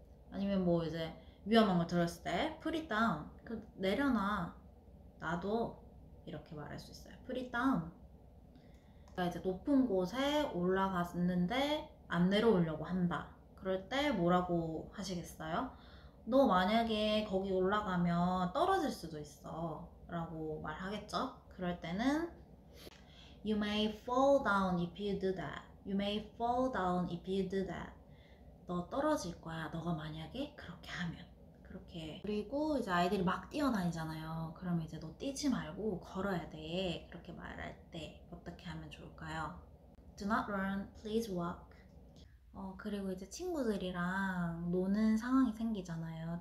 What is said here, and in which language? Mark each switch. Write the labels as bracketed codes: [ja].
[ko] 아니면 뭐 이제 위험한 걸 들었을 때 [en] put it down, [ko] 그 내려놔, 놔둬 이렇게 말할 수 있어요. [en] put it down. [ko] 이제 높은 곳에 올라갔는데 안 내려오려고 한다. 그럴 때 뭐라고 하시겠어요? 너 만약에 거기 올라가면 떨어질 수도 있어 라고 말하겠죠? 그럴 때는 [en] You may fall down if you do that. You may fall down if you do that. [ko] 너 떨어질 거야, 너가 만약에 그렇게 하면. 그렇게. 그리고 이제 아이들이 막 뛰어다니잖아요. 그러면 이제 너 뛰지 말고 걸어야 돼. 그렇게 말할 때 어떻게 하면 좋을까요? [en] Do not run, please walk. [ko] 그리고 이제 친구들이랑 노는 상황이 생기잖아요.